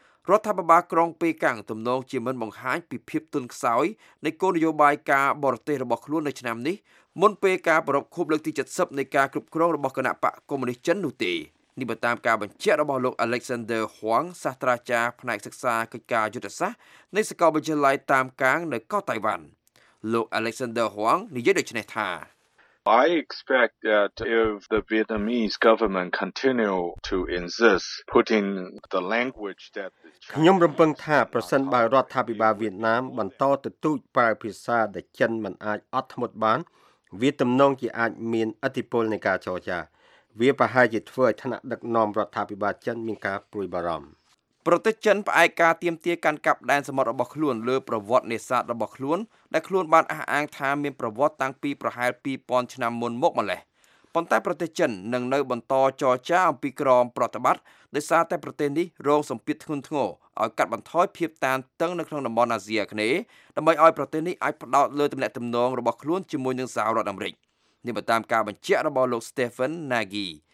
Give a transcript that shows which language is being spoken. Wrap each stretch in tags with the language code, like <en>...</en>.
<km>រដ្ឋាភិបាលក្រុងប៉េកាំងទំនងជាមិនបង្ហាញពីភាពទន់ខ្សោយនៃគោលនយោបាយការបរទេសរបស់ខ្លួននៅឆ្នាំនេះមុនពេលការប្រពខូបលើកទី70នៃការគ្រប់គ្រងរបស់គណៈបកកុម្មុយនីសចិននោះទេនេះបើតាមការបញ្ជាក់របស់លោក Alexander Huang សាស្ត្រាចារ្យផ្នែកសិក្សាកិច្ចការយុទ្ធសាស្ត្រនៃសាកលវិទ្យាល័យតាមកាងនៅកោះតៃវ៉ាន់លោក Alexander Huang និយាយដូចនេះថា</km> <en>I expect that if the Vietnamese government continue to insist putting the language that the Chinese</en> <km>ខ្ញុំរំពឹងថាប្រសិនបើរដ្ឋាភិបាលវៀតណាមបន្តទទូចប្រើភាសាដែលចិនមិនអាចអត់ធ្មត់បានវាទំនងជាអាចមានឥទ្ធិពលនៃការចរចាវាប្រហែលជាធ្វើឲ្យថ្នាក់ដឹកនាំរដ្ឋាភិបាលចិនមានការព្រួយបារម្ភ ប្រទេសចិនផ្អែកការទៀមទាកាន់កាប់ដែនសមុទ្ររបស់ខ្លួនលើប្រវត្តិនេសាទរបស់ខ្លួនដែលខ្លួនបានអះអាងថាមានប្រវត្តិតាំងពីប្រហែល2000ឆ្នាំមុនមកម្ល៉េះប៉ុន្តែប្រទេសចិននឹងនៅបន្តចរចាអំពីក្រមប្រតិបត្តិដោយសារតែប្រទេសនេះរងសម្ពាធធ្ងន់ធ្ងរឲ្យកាត់បន្ថយភាពតានតឹងនៅក្នុងតំបន់អាស៊ីអាគ្នេយ៍ដើម្បីឲ្យប្រទេសនេះអាចផ្ដោតលើទំនាក់ទំនងរបស់ខ្លួនជាមួយនឹងសហរដ្ឋអាមេរិកនេះតាមការបញ្ជាក់របស់លោក Stephen Nagy</km>